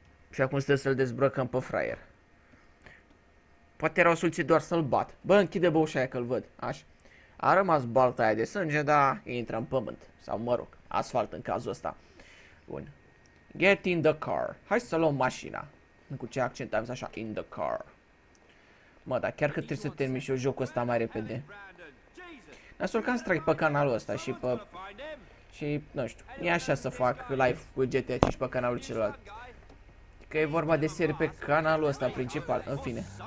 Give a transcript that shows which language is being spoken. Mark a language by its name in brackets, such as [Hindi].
[Romanian] Și acum stă să-l dezbrăcăm pe fraier. Poate era o soluție doar să-l bat. Bă, închide bă ușa aia că-l văd. Așa. A rămas balta aia de sânge, dar intră în pământ. Sau mă rog, asfalt în cazul ăsta. Bun. [English] Get in the car. [Romanian] Hai să luăm mașina. Cu ce accent am zis așa, [English] in the car. [Romanian] Mă, dar chiar că trebuie să termin și eu jocul ăsta mai repede. Nasol că am strike pe canalul ăsta și pe... Și, nu știu, e așa să fac live cu GTA 5 pe canalul celălalt. Că e vorba de serie pe canalul ăsta principal, în fine.